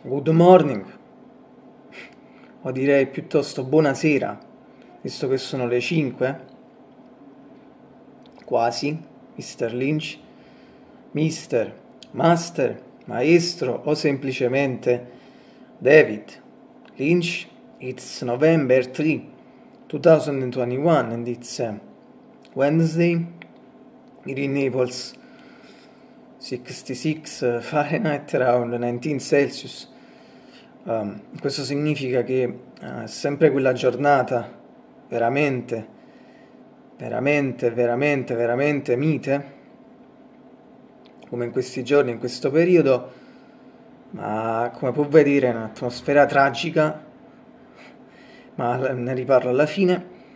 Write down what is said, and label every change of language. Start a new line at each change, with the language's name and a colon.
English: Morning,
Italian: o direi piuttosto buonasera, visto che sono le 5, quasi, Mr.
English: Lynch, Mister, Master, Maestro
Italian: o semplicemente
English: David Lynch, it's November 3, 2021 and it's Wednesday, here in Naples, 66 Fahrenheit around 19 Celsius.
Italian: Questo significa che sempre quella giornata veramente mite, come in questi giorni, in questo periodo, ma come può vedere è un'atmosfera tragica, ma ne riparlo alla fine.